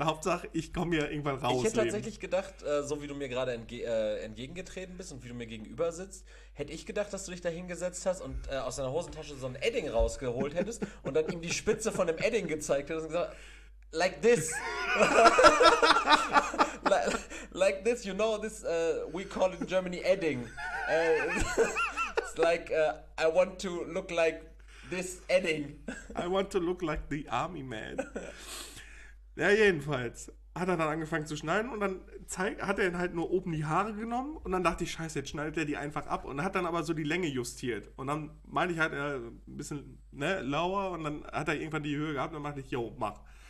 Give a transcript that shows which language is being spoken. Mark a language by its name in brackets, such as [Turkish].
[German] Hauptsache, ich komme hier irgendwann raus. Ich hätte tatsächlich gedacht, so wie du mir gerade entgegengetreten bist und wie du mir gegenüber sitzt, hätte ich gedacht, dass du dich da hingesetzt hast und aus deiner Hosentasche so ein Edding rausgeholt hättest und dann ihm die Spitze von dem Edding gezeigt hättest und gesagt, [English] like this. like this, you know, this, we call it in Germany Edding. It's like, I want to look like this Edding. I want to look like the army man. [German] Ja, jedenfalls hat er dann angefangen zu schneiden und dann hat er ihn halt nur oben die Haare genommen und dann dachte ich, scheiße, jetzt schneidet er die einfach ab und hat dann aber so die Länge justiert. Und dann meinte ich halt, ein bisschen ne, lauer und dann hat er irgendwann die Höhe gehabt und dann dachte ich, yo, mach.